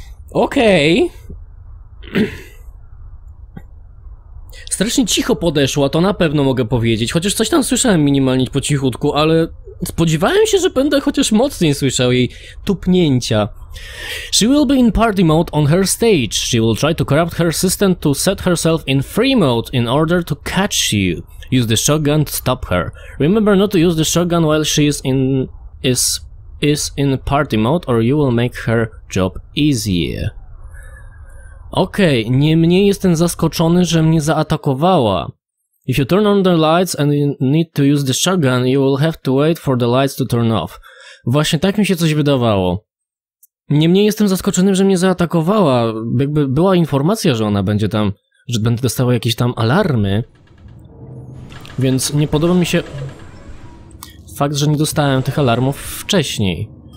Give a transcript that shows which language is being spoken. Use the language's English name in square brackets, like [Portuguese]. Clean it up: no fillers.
[Polish] Okej. Strasznie cicho podeszła, to na pewno mogę powiedzieć. Chociaż coś tam słyszałem minimalnie po cichutku, ale spodziewałem się, że będę chociaż mocniej słyszał jej tupnięcia. [English] She will be in party mode on her stage. She will try to corrupt her system to set herself in free mode in order to catch you. Use the shotgun to stop her. Remember not to use the shotgun while she is in is in party mode, or you will make her job easier. [Polish] Okej, okay, niemniej jestem zaskoczony, że mnie zaatakowała. [English] If you turn on the lights and you need to use the shotgun, you will have to wait for the lights to turn off. [Polish] Właśnie tak mi się coś wydawało. Niemniej jestem zaskoczony, że mnie zaatakowała. Jakby była informacja, że ona będzie tam, że będę dostała jakieś tam alarmy. Więc nie podoba mi się fakt, że nie dostałem tych alarmów wcześniej.